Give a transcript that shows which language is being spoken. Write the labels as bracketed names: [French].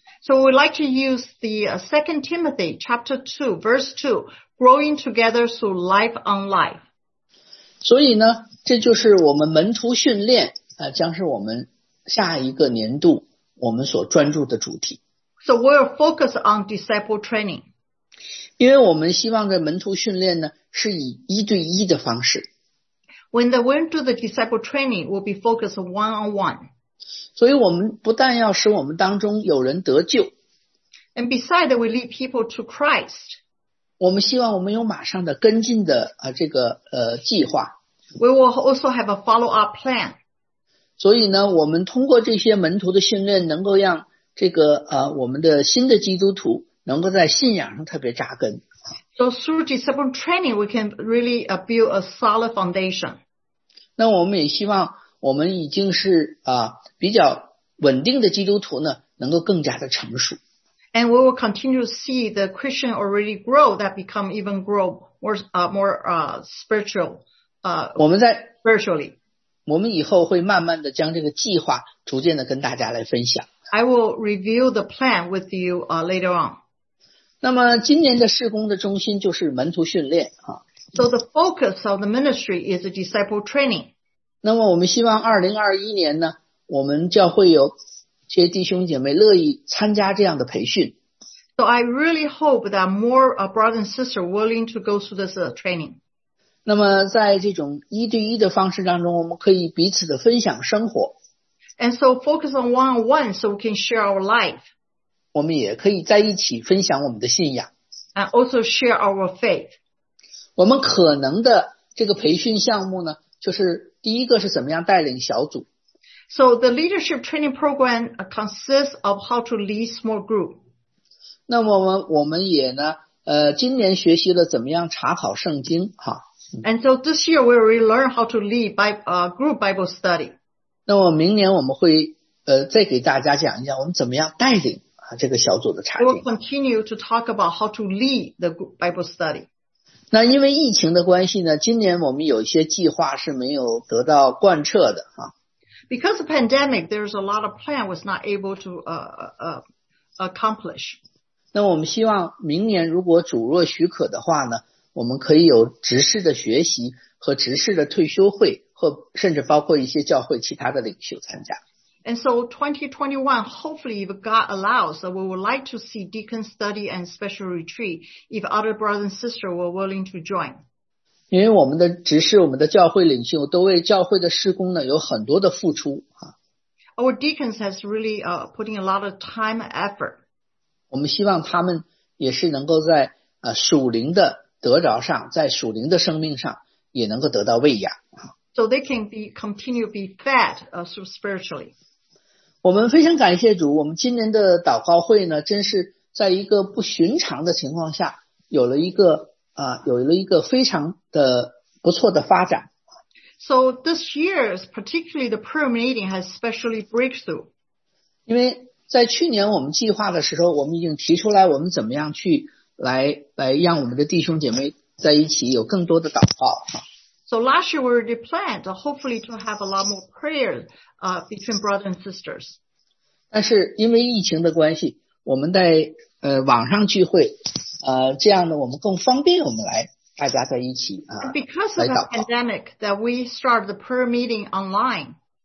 [English] So we'd like to use the Second Timothy chapter 2 verse 2 growing together through life on life. [Chinese] 所以呢，这就是我们门徒训练，将是我们下一个年度我们所专注的主题。 [English] So we'll focus on disciple training. [Chinese] 因为我们希望这门徒训练呢，是以一对一的方式。 [English] When they went to the disciple training, we'll be focused one-on-one. [Chinese] 所以我们不但要使我们当中有人得救。 [English] And besides, we lead people to Christ. [Chinese] 我们希望我们有马上的跟进的，这个，计划。 [English] We will also have a follow-up plan. [Chinese] 所以呢，我们通过这些门徒的训练能够让这个，我们的新的基督徒能够在信仰上特别扎根。 [English] So through disciple training, we can really build a solid foundation. [Chinese] 那我们也希望我们已经是，比较稳定的基督徒呢，能够更加的成熟。 [English] And we will continue to see the Christian already grow that become even grow more spiritually. [Chinese] 我们以后会慢慢的将这个计划逐渐的跟大家来分享。 [English] I will review the plan with you later on. [Chinese] 那么今年的事工的中心就是门徒训练。 [English] So the focus of the ministry is a disciple training. [Chinese] 那么我们希望2021年呢，我们教会有这些弟兄姐妹乐意参加这样的培训。 [English] So I really hope that more brothers and sisters are willing to go through this training. [Chinese] 那么在这种一对一的方式当中，我们可以彼此的分享生活。 [English] And so focus on one-on-one so we can share our life. [Chinese] 我们也可以在一起分享我们的信仰。 [English] And also share our faith. [Chinese] 我们可能的这个培训项目呢，就是第一个是怎么样带领小组。 [English] So the leadership training program consists of how to lead small group. [Chinese] 那么我们也呢，今年学习了怎么样查考圣经。 [English] And so this year we already learned how to lead by group Bible study. [Chinese] 那么明年我们会再给大家讲一下我们怎么样带领这个小组的查经。 [English] We'll continue to talk about how to lead the group Bible study. [Chinese] 那因为疫情的关系呢，今年我们有一些计划是没有得到贯彻的。 [English] Because of the pandemic, there's a lot of plan was not able to accomplish. [Chinese] 那我们希望明年如果主若许可的话呢，我们可以有执事的学习和执事的退休会，或甚至包括一些教会其他的领袖参加。 [English] And so 2021, hopefully if God allows, we would like to see deacon study and special retreat if other brothers and sisters were willing to join. [Chinese] 因为我们的执事，我们的教会领袖都为教会的事工呢有很多的付出。 [English] Our deacons has really putting a lot of time and effort. [Chinese] 我们希望他们也是能够在属灵的得着上，在属灵的生命上也能够得到喂养。 [English] So they can continue to be fed spiritually. [Chinese] 我们非常感谢主，我们今年的祷告会呢，真是在一个不寻常的情况下有了一个非常的不错的发展。 [English] So this year, particularly the prayer meeting has specially breakthrough. [Chinese] 因为在去年我们计划的时候，我们已经提出来我们怎么样去来让我们的弟兄姐妹在一起有更多的祷告。 [English] So last year we already planned, hopefully to have a lot more prayer between brothers and sisters. [Chinese] 但是因为疫情的关系，我们在网上聚会这样呢，我们更方便我们来大家在一起。 [English] Because of the pandemic, that we start the prayer meeting online.